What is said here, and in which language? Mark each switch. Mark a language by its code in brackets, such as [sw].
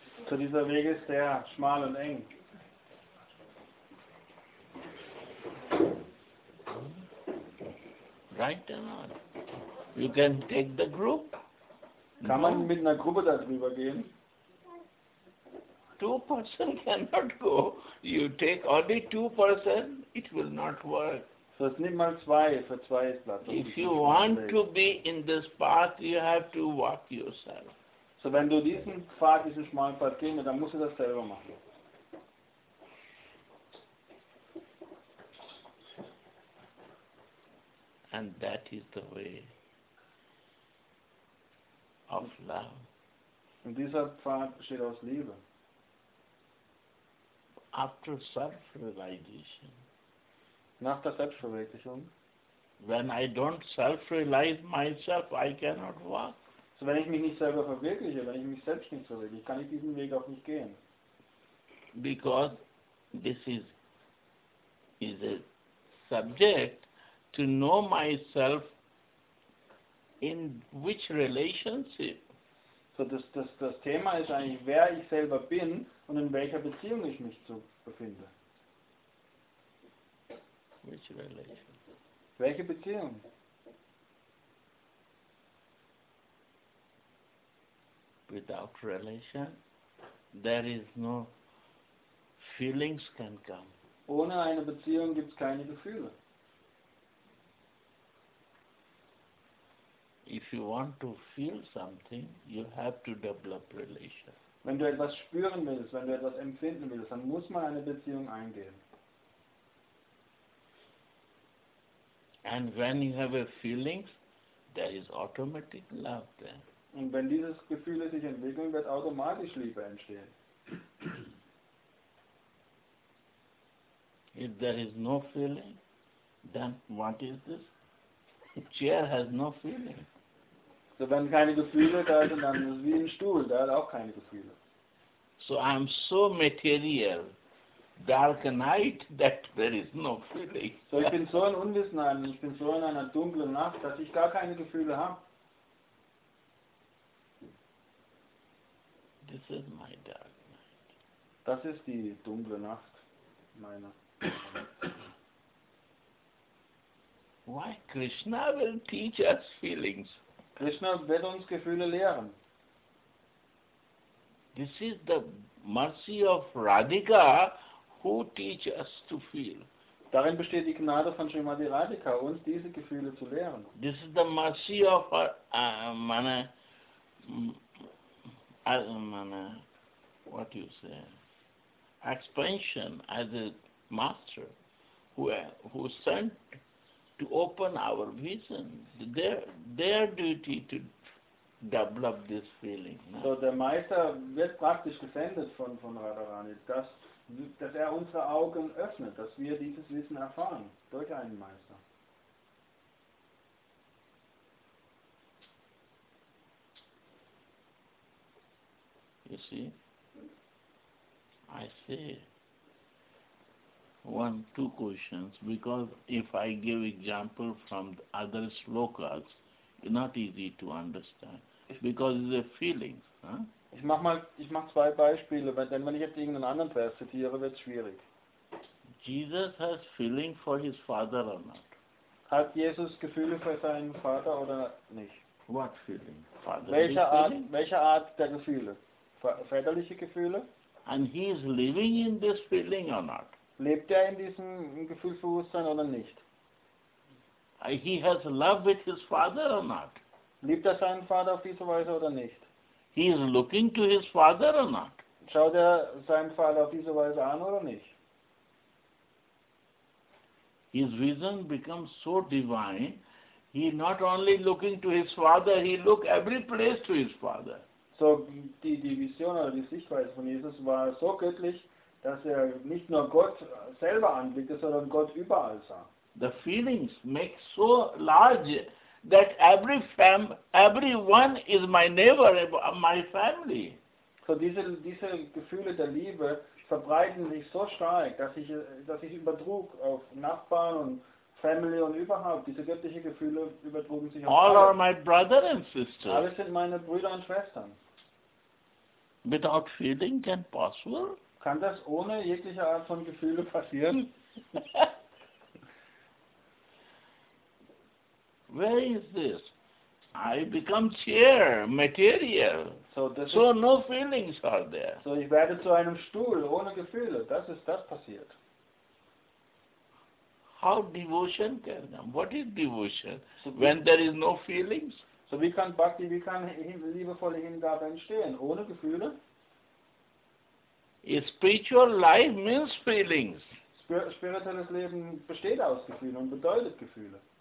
[de] So dieser Weg ist sehr schmal und eng. [en] Right or not? You can take the group. [de] Kann man mit einer Gruppe da drüber gehen? [en] Two person cannot go. You take only two person it will not work. [de] So es nimmt mal zwei, für zwei ist Platz. [en] If you want to be in this path, you have to walk yourself. [de] So wenn du diesen Pfad, diesen schmalen Pfad gehen, dann musst du das selber machen. [en] And that is the way of love. [de] Und dieser Pfad steht aus Liebe. [en] After self-realization. [de] Nach der Selbstverwirklichung. [en] When I don't self-realize myself, I cannot walk. [de] So wenn ich mich nicht selber verwirkliche, wenn ich mich selbst nicht verwirkliche, kann ich diesen Weg auch nicht gehen. [en] Because this is a subject to know myself in which relationship. [de] So das Thema ist eigentlich, wer ich selber bin und in welcher Beziehung ich mich so befinde. [en] Which relation? [de] Welche Beziehung? [en] Without relation, there is no feelings can come. [de] Ohne eine Beziehung gibt es keine Gefühle. [en] If you want to feel something, you have to develop relation. [de] Wenn du etwas spüren willst, wenn du etwas empfinden willst, dann muss man eine Beziehung eingehen. [en] And when you have a feelings, there is automatic love there. [de] Und wenn dieses Gefühl sich entwickeln, wird automatisch Liebe entstehen. [en] If there is no feeling, then what is this? A chair has no feeling. [de] So wenn keine Gefühle da sind, dann ist es wie ein Stuhl, da hat auch keine Gefühle. [en] So I'm so material, dark night, that there is no feeling. [de] So ich bin so ein Unwissenheit, ich bin so in einer dunklen Nacht, dass ich gar keine Gefühle habe. [en] This is my dark night. [de] Das ist die dunkle Nacht meiner. [en] Why Krishna will teach us feelings? [de] Krishna wird uns Gefühle lehren. [en] This is the mercy of Radhika who teach us to feel. [de] Darin besteht die Gnade von Srimati Radhika, uns diese Gefühle zu lehren. [en] This is the mercy of expansion as a master who sent to open our vision. Their duty to develop this feeling. No? [de] So der Meister wird praktisch gesendet von Radharani, dass er unsere Augen öffnet, dass wir dieses Wissen erfahren durch einen Meister. [en] You see, I say one, two questions, because if I give example from the other slokas, it's not easy to understand, because it's a feeling. [de] Ich mach zwei Beispiele, denn wenn ich jetzt irgendeinen anderen Vers zitiere, wird es schwierig. [en] Jesus has feeling for his father or not? [de] Hat Jesus Gefühle für seinen Vater oder nicht? [en] What feeling? [de] Welche Art der Gefühle? Väterliche Gefühle? [en] And he is living in this feeling or not? [de] Lebt er in diesem Gefühlsbewusstsein oder nicht? [en] He has love with his father or not? [de] Liebt er seinen Vater auf diese Weise oder nicht? [en] He is looking to his father or not? [de] Schaut er seinen Vater auf diese Weise an oder nicht? [en] His vision becomes so divine, he is not only looking to his father, he looks every place to his father. [de] So die Vision oder die Sichtweise von Jesus war so göttlich, dass er nicht nur Gott selber anblickte, sondern Gott überall sah. [en] The feelings make so large that everyone is my neighbor, my family. [de] So diese Gefühle der Liebe verbreiten sich so stark, dass ich übertrug auf Nachbarn und Family und überhaupt. Diese göttlichen Gefühle übertrugen sich auf [en] all are my brother and sister. [de] Alle sind meine Brüder und Schwestern. [en] Without feeling can possible? [de] Kann das ohne jegliche Art von Gefühle passieren? [en] Where is this? I become chair, material. [de] So [en] no feelings are there. [de] So ich werde zu einem Stuhl ohne Gefühle. Das passiert. [en] how devotion can come? What is devotion when there is no feelings? [de] So wie kann Bhakti, wie kann liebevolle Hingabe entstehen? Ohne Gefühle? [en] A spiritual life means feelings. [de] Spirituelles Leben besteht aus Gefühlen und bedeutet Gefühle.